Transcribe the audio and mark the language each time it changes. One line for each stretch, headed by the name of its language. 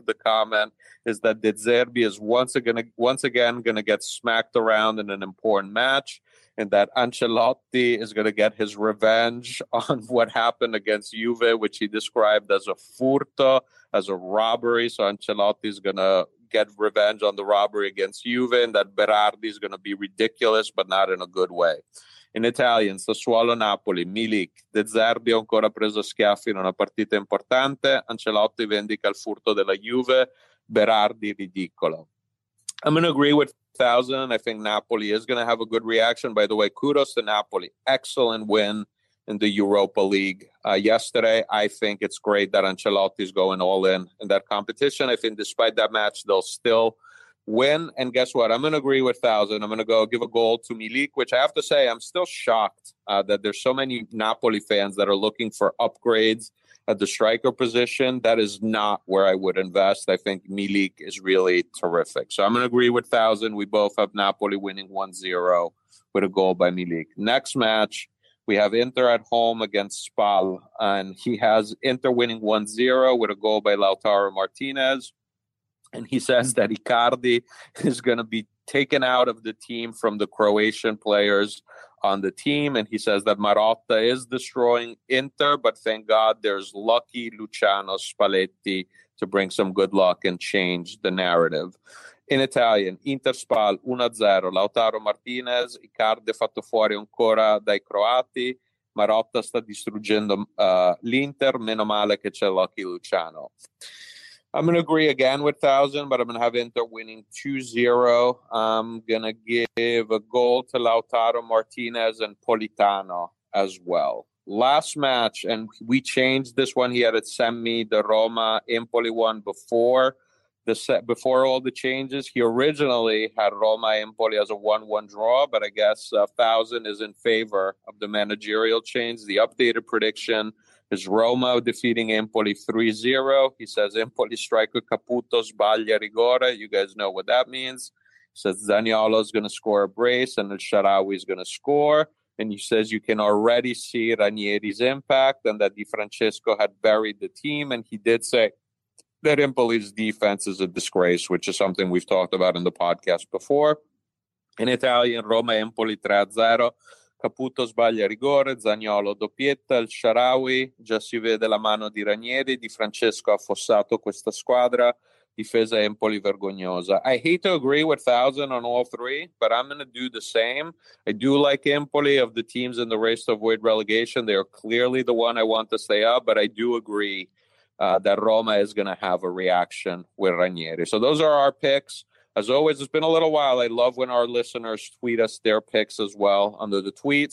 English: The comment is that De Zerbi is once again going to get smacked around in an important match, and that Ancelotti is going to get his revenge on what happened against Juve, which he described as a furto, as a robbery. So Ancelotti is going to get revenge on the robbery against Juve, and that Berardi is going to be ridiculous, but not in a good way. In Italian,
Italian: Sassuolo Napoli, Milik, De Zerbi ancora preso schiaffi in una partita importante, Ancelotti vendica il furto della Juve, Berardi ridicolo.
English: I'm going to agree with Thousand. I think Napoli is going to have a good reaction. By the way, kudos to Napoli. Excellent win in the Europa League yesterday. I think it's great that Ancelotti is going all in that competition. I think despite that match, they'll still win. And guess what? I'm going to agree with Thousand. I'm going to go give a goal to Milik, which I have to say, I'm still shocked that there's so many Napoli fans that are looking for upgrades at the striker position. That is not where I would invest. I think Milik is really terrific. So I'm going to agree with Thousand. We both have Napoli winning 1-0 with a goal by Milik. Next match, we have Inter at home against Spal. And he has Inter winning 1-0 with a goal by Lautaro Martinez. And he says that Icardi is going to be taken out of the team from the Croatian players on the team. And he says that Marotta is destroying Inter, but thank God there's lucky Luciano Spalletti to bring some good luck and change the narrative. In Italian,
Italian: Inter-Spal 1-0, Lautaro Martinez, Icardi fatto fuori ancora dai croati, Marotta sta distruggendo l'Inter, meno male che c'è lucky Luciano.
English: I'm going to agree again with Thousand, but I'm going to have Inter winning 2-0. I'm going to give a goal to Lautaro Martinez and Politano as well. Last match, and we changed this one. He had it send me the Roma-Empoli one before all the changes. He originally had Roma-Empoli as a 1-1 draw, but I guess Thousand is in favor of the managerial change. The updated prediction is Roma defeating Empoli 3-0. He says Empoli striker Caputo
Italian: sbaglia rigore.
English: You guys know what that means. He says Zaniolo is going to score a brace and El Shaarawy is going to score. And he says you can already see Ranieri's impact and that Di Francesco had buried the team. And he did say that Empoli's defense is a disgrace, which is something we've talked about in the podcast before. In Italian, Roma Empoli 3-0.
Italian: Caputo sbaglia rigore, Zaniolo doppietta, El Shaarawy, già si vede la mano di Ranieri, Di Francesco ha affossato questa squadra, difesa Empoli vergognosa.
English: I hate to agree with Thousand on all three, but I'm going to do the same. I do like Empoli of the teams in the race to avoid relegation. They are clearly the one I want to stay up, but I do agree that Roma is going to have a reaction with Ranieri. So those are our picks. As always, it's been a little while. I love when our listeners tweet us their picks as well under the tweet.